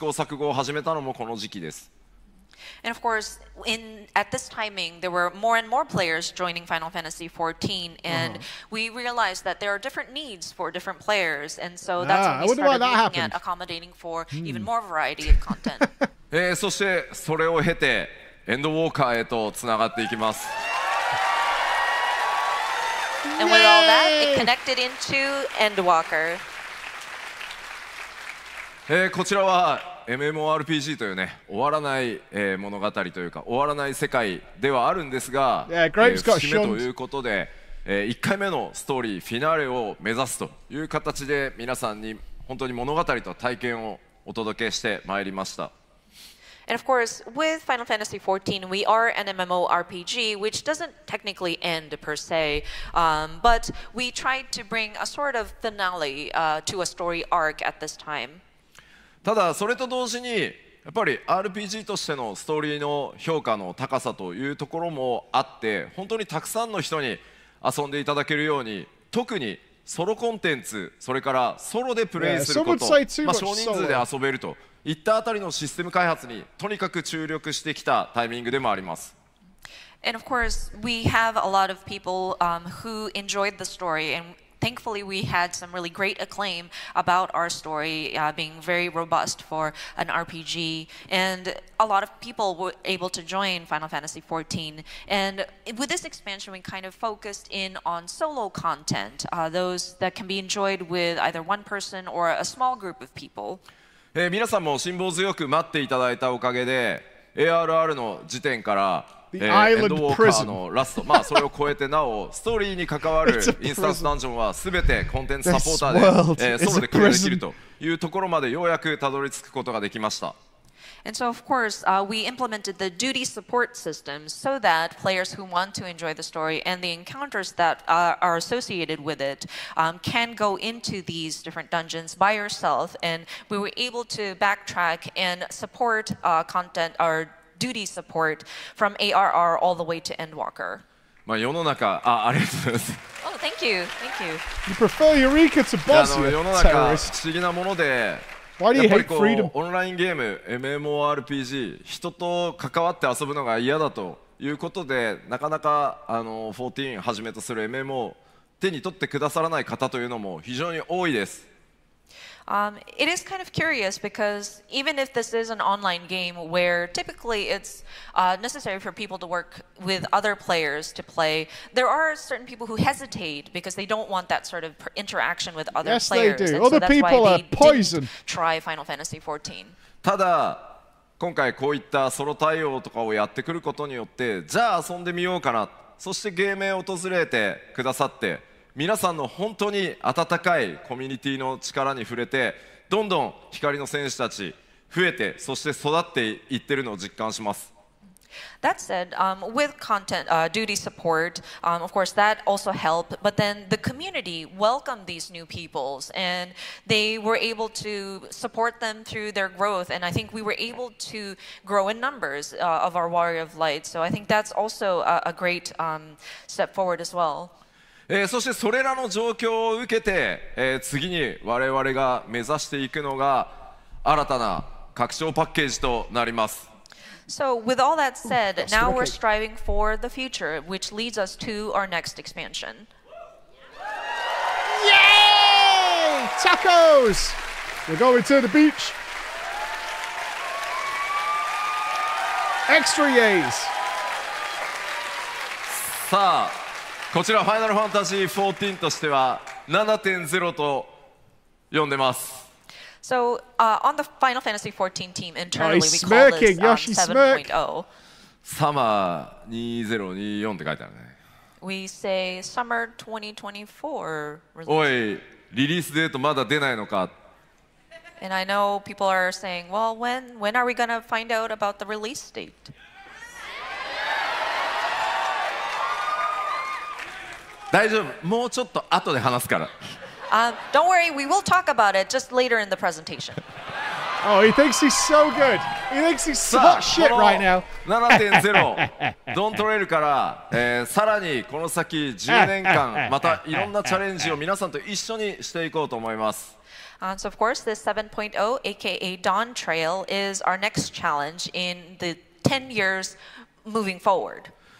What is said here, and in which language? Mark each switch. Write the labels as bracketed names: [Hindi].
[Japanese] で、このあたりからどんどん本当に多くのプレイヤーの皆さんがファイナルファンタジー14に訪れてきてくださることによって、プレイヤーの皆さんのニーズっていうのもかなり様々になってきました。まあそこにいろんな形で対応していくという試行錯誤を始めたのもこの時期です。 [English] And of course, at this timing, there were more and more players joining Final Fantasy XIV, and we realized that there are different needs for different players, and so that's when we started looking at accommodating for even more variety of content. [Japanese] そしてそれを経てエンドウォーカーへとつながっていきます。 [English] And with all that, it connected into Endwalker. [Japanese] こちらは MMORPG というね、終わらない物語というか、終わらない世界ではあるんですが、締めということで、1回目のストーリーフィナーレを目指すという形で皆さんに本当に物語と体験をお届けしてまいりました。 [English] And of course, with Final Fantasy XIV, we are an MMORPG, which doesn't technically end per se, but we tried to bring a sort of finale to a story arc at this time. [Japanese] ただそれと同時に、やっぱりRPGとしてのストーリーの評価の高さというところもあって、本当にたくさんの人に遊んでいただけるように、特にソロコンテンツ、それからソロでプレイすること、少人数で遊べると。いったあたりのシステム開発にとにかく注力してきたタイミングでもあります。 [English] And of course, we have a lot of people who enjoyed the story, and thankfully we had some really great acclaim about our story being very robust for an RPG, and a lot of people were able to join Final Fantasy XIV. And with this expansion, we kind of focused in on solo content, those that can be enjoyed with either one person or a small group of people. [Japanese] 皆さんも辛抱強く待っていただいたおかげで、ARR の時点から [English] The Island Prison. [Japanese] のラスト、まあそれを超えてなおストーリーに関わるインスタンスダンジョンはすべてコンテンツサポーターで、ソロでクリアできるというところまでようやくたどり着くことができました。 [English] And so of course, we implemented the duty support system so that players who want to enjoy the story and the encounters that are associated with it can go into these different dungeons by yourself, and we were able to backtrack and support content or duty support from ARR all the way to Endwalker. [Japanese] まあ世の中、あ、ありがとうございます。 [English] Oh, thank you, thank you. You prefer Eureka to Boss? [Japanese] 世の中、不思議なもので、やっぱりこうオンラインゲーム、MMORPG、人と関わって遊ぶのが嫌だということで、なかなかあの14はじめとする MMO 手に取ってくださらない方というのも非常に多いです。 [English] It is kind of curious because even if this is an online game where typically it's necessary for people to work with other players to play, there are certain people who hesitate because they don't want that sort of interaction with other yes, Yes, they do. And other so people are poison. That's why they didn't try Final Fantasy XIV. [Japanese] ただ、今回こういったソロ対応とかをやってくることによって、じゃあ遊んでみようかな。そしてゲームへ訪れてくださって、皆さんの本当に温かいコミュニティの力に触れて、どんどん光の戦士たち増えて、そして育っていってるのを実感します。 [English] That said, with content duty support, of course that also helped, but then the community welcomed these new peoples and they were able to support them through their growth, and I think we were able to grow in numbers of our Warrior of Light, so I think that's also a great step forward as well. [Japanese] そしてそれらの状況を受けて、次に我々が目指していくのが新たな拡張パッケージとなります。 [English] So with all that said, now we're striving for the future, which leads us to our next expansion. Yay! Tacos! We're going to the beach! Extra yays! [Japanese] さあこちらファイナルファンタジー14としては 7.0 と呼んでます。 [English] So, on the Final Fantasy XIV team internally, we call this, [Japanese] Summer 2024って書いてあるね。 [English] We say Summer 2024 release. [Japanese] おい、リリースデートまだ出ないのか。 [English] And I know people are saying, well, when are we gonna find out about the release date? [Japanese] 大丈夫、もうちょっと後で話すから。 [English] Don't worry, we will talk about it just later in the presentation. Oh, he thinks he's so good. He thinks he's such shit right now. [Japanese] 7.0 Dawntrail から、さらにこの先10年間またいろんなチャレンジを皆さんと一緒にしていこうと思います。 [English] So of course, this 7.0, aka Dawntrail, is our next challenge in the 10 years moving forward.